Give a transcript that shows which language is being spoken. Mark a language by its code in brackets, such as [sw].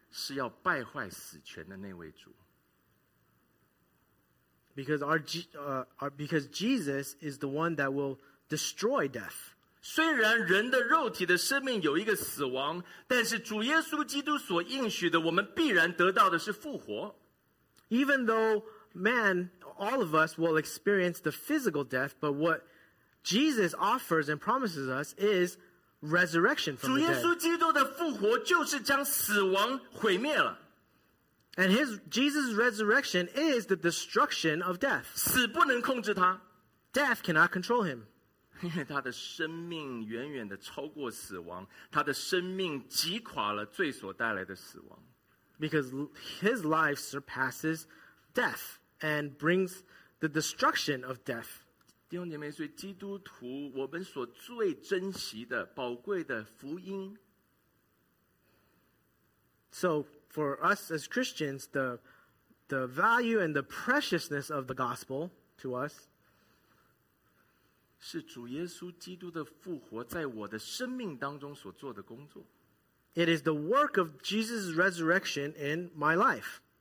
[zh] 因为主耶稣基督是要败坏死权的那位主。 [en] Because because Jesus is the one that will destroy death. [zh] 虽然人的肉体的生命有一个死亡, 但是主耶稣基督所应许的我们必然得到的是复活。 [en] Even though man, all of us will experience the physical death, but what Jesus offers and promises us is resurrection from the dead. [zh] 主耶稣基督的复活就是将死亡毁灭了。 [en] And Jesus' resurrection is the destruction of death. [zh] 死不能控制他。 [en] Death cannot control him. [zh] 因为他的生命远远地超过死亡, 他的生命击垮了罪所带来的死亡。 [en] Because his life surpasses death and brings the destruction of death. [zh] 弟兄姐妹, 所以基督徒, 我们所最珍惜的, 宝贵的福音, [en] so for us as Christians, the value and the preciousness of the gospel to us [zh] 是主耶稣基督的复活在我的生命当中所做的工作。 [en] It is the work of Jesus' resurrection in my life.